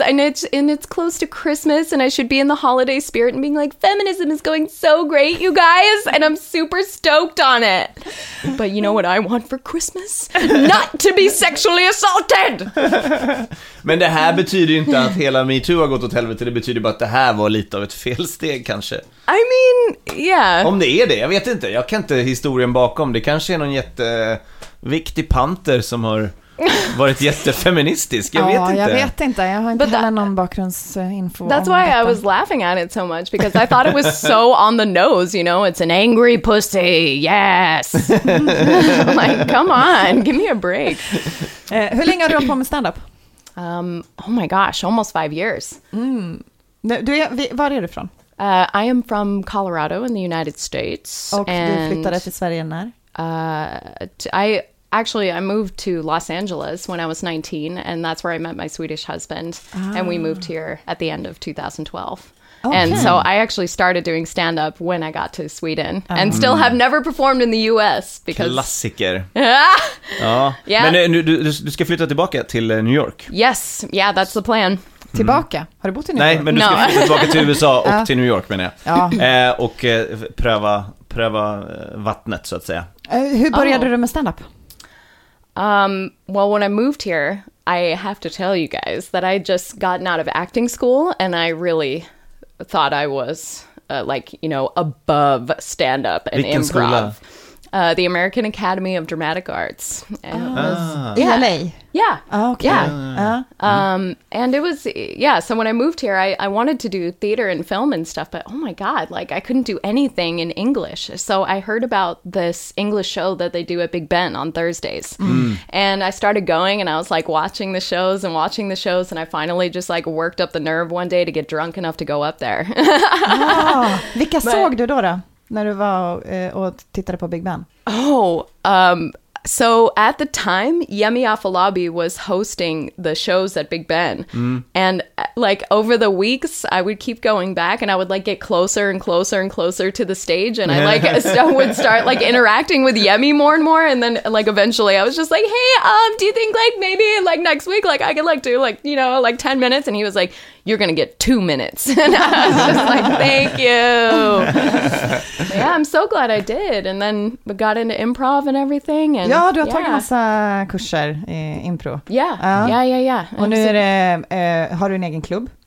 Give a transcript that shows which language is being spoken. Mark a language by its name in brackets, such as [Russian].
[English] And it's close to Christmas and I should be in the holiday spirit and being like, feminism is going so great, you guys. And I'm super stoked on it. But you know what I want for Christmas? Not to be sexually assaulted. [Swedish] Men det här betyder ju inte att hela MeToo har gått åt helvete. Det betyder bara att det här var lite av ett felsteg, kanske. [English] I mean, yeah. [Swedish] Om det är det, jag vet inte. Jag kan inte historien bakom. Det kanske är någon jätteviktig panter som har varit jättefeministisk. Jag vet inte. Jag vet inte. Jag har inte heller någon bakgrundsinfo. [English] That's why I was laughing at it so much, because I thought it was so on the nose, you know? It's an angry pussy, yes! Like, come on, give me a break. [Swedish] Hur länge har du hållit på med stand-up? [English] Oh my gosh, almost 5 years. [Swedish] Mm. Du, var är du från? [English] I am from Colorado in the United States. [Swedish] Och [English] and, [Swedish] du flyttade till Sverige när? [English] I moved to Los Angeles when I was 19, and that's where I met my Swedish husband. Ah. And we moved here at the end of 2012. Okay. And so I actually started doing stand-up when I got to Sweden and still have never performed in the US. Because... [Swedish] Klassiker. Ja. Men du ska flytta tillbaka till New York. [English] Yes, yeah, that's the plan. [Swedish] Tillbaka? Har du bott i New Nej, York? Men du ska flytta tillbaka till USA och till New York, menar jag. Ja. Och pröva vattnet, så att säga. Hur började du med stand-up? [English] Well, when I moved here, I have to tell you guys that I just gotten out of acting school and I really... thought I was like, you know, above stand up and [Swedish] Vilken [English] improv. [Swedish] Skola? [English] The American Academy of Dramatic Arts. Ah. Yeah. LA. Yeah. Oh, okay. Yeah. And it was, yeah. So when I moved here, I wanted to do theater and film and stuff, but oh my God, like I couldn't do anything in English. So I heard about this English show that they do at Big Ben on Thursdays. Mm. And I started going and I was like watching the shows. And I finally just like worked up the nerve one day to get drunk enough to go up there. [Swedish] Ah, vilka såg du då? När du var och tittade på Big Ben. [English] So at the time, Yemi Afolabi was hosting the shows at Big Ben. Mm. And like over the weeks, I would keep going back and I would like get closer and closer and closer to the stage. And I like would start like interacting with Yemi more and more. And then like eventually I was just like, hey, do you think like maybe like next week, like I could like do like, you know, like 10 minutes. And he was like, you're going to get 2 minutes. And I was just like, thank you. Yeah, I'm so glad I did. And then we got into improv and everything. And [Swedish] ja, du har tagit massa kurser i impro. [English] Yeah. [Swedish] Och nu är det, har du en egen klubb?